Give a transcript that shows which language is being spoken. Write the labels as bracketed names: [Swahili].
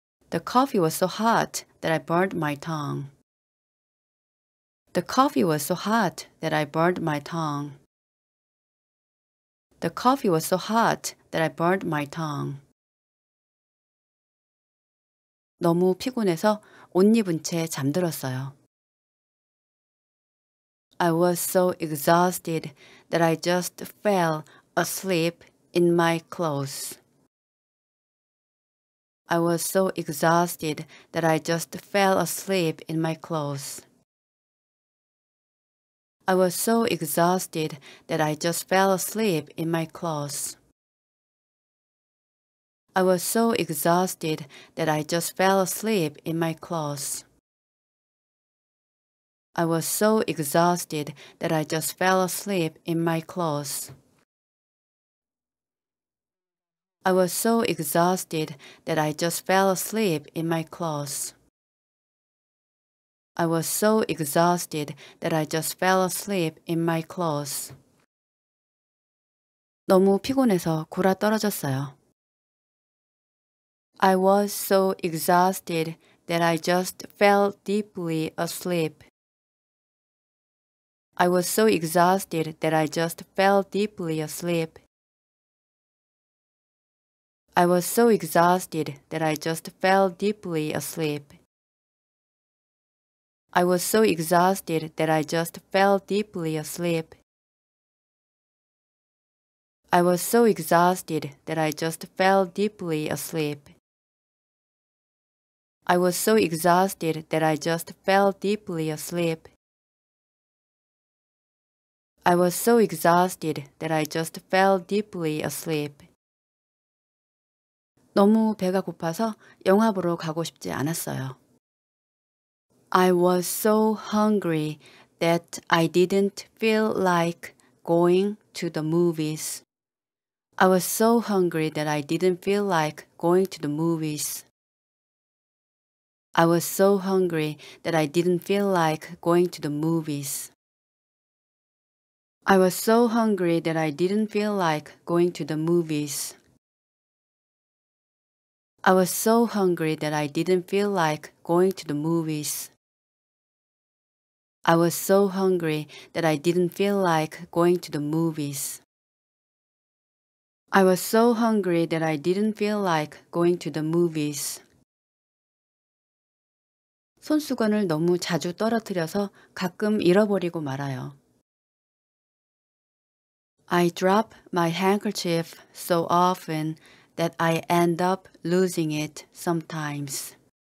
[English] The coffee was so hot that I burned my tongue. The coffee was so hot that I burned my tongue. The coffee was so hot that I burned my tongue. [Korean] 너무 피곤해서 옷 입은 채 잠들었어요. [English] I was so exhausted that I just fell asleep in my clothes. I was so exhausted that I just fell asleep in my clothes. I was so exhausted that I just fell asleep in my clothes. I was so exhausted that I just fell asleep in my clothes. I was so exhausted that I just fell asleep in my clothes. I was so exhausted that I just fell asleep in my clothes. I was so exhausted that I just fell asleep in my clothes. [Korean] 너무 피곤해서 골아떨어졌어요. [English] I was so exhausted that I just fell deeply asleep. I was so exhausted that I just fell deeply asleep. I was so exhausted that I just fell deeply asleep. I was so exhausted that I just fell deeply asleep. I was so exhausted that I just fell deeply asleep. I was so exhausted that I just fell deeply asleep. I was so exhausted that I just fell deeply asleep. [Korean] 너무 배가 고파서 영화 보러 가고 싶지 않았어요. [English] I was so hungry that I didn't feel like going to the movies. I was so hungry that I didn't feel like going to the movies. I was so hungry that I didn't feel like going to the movies. I was so hungry that I didn't feel like going to the movies. I was so hungry that I didn't feel like going to the movies. I was so hungry that I didn't feel like going to the movies. I was so hungry that I didn't feel like going to the movies. [Korean] 손수건을 너무 자주 떨어뜨려서 가끔 잃어버리고 말아요. [English] I drop my handkerchief so often that I end up losing it sometimes.